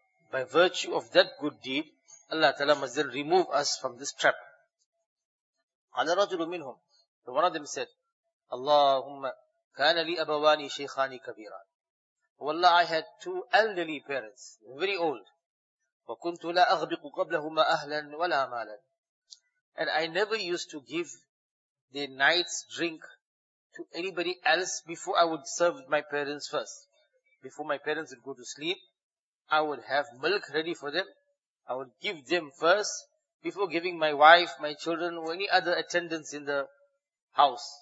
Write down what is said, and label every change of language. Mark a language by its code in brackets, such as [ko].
[en] By virtue of that good deed, Allah ta'ala must then remove us from this trap. [ar] Ana rajulun minhum. [en] So one of them said, [ar] Allahumma, كان لي أبوان شيخان كبيران. [en] والله, I had two elderly parents, very old. [ar] وكنت لا أغبق قبلهما أهلا ولا مالا. [en] And I never used to give the night's drink to anybody else before I would serve my parents first. Before my parents would go to sleep, I would have milk ready for them. I would give them first before giving my wife, my children, or any other attendants in the house.